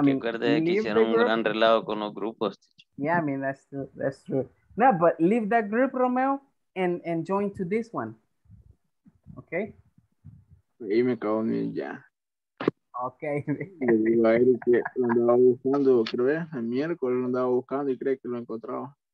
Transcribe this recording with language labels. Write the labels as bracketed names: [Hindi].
[Spanish] hay que acordar que hicieron un gran relajo con los grupos. [English] Yeah, I mean, that's true. No, but leave that group, Romeo, and join to this one. Ok. [Spanish] Ahí me acabo de ir ya. [English] Ok. [Spanish] Le digo a Eric que lo andaba buscando, creo que el miércoles lo andaba buscando y cree que lo encontraba.